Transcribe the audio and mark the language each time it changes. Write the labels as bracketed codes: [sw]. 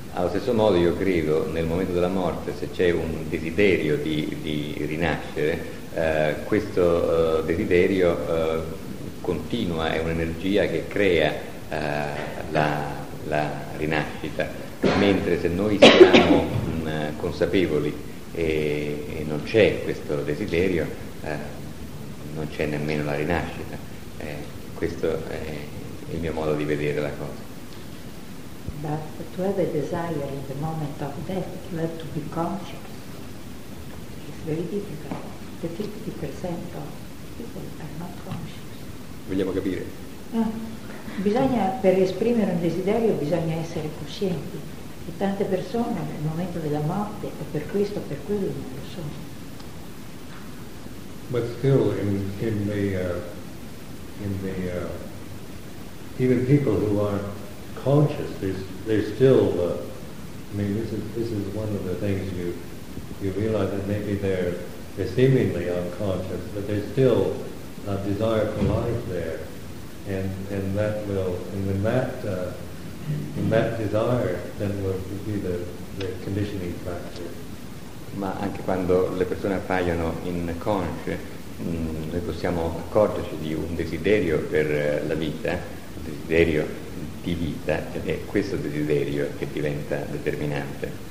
[it] Allo stesso modo io credo nel momento della morte, se c'è un desiderio di rinascere, questo desiderio continua, è un'energia che crea la rinascita, mentre se noi siamo consapevoli e non c'è questo desiderio, non c'è nemmeno la rinascita. Questo è il mio modo di vedere la cosa. [en] But to have a desire in the moment of death, you have to be conscious. It's very difficult. The 50% of people are not conscious. [it] Vogliamo capire. Bisogna, per esprimere un desiderio, bisogna essere coscienti. E tante persone nel momento della morte, o per questo o per quello, non lo sono. [en] But still, even people who are conscious, there's still this is one of the things you realize, that maybe they're seemingly unconscious, but there's still a desire for life there, and when that desire then will be the conditioning factor. [it] Ma anche quando le persone appaiono inconsce, noi possiamo accorgerci di un desiderio per la vita, un desiderio di vita, ed è questo desiderio che diventa determinante.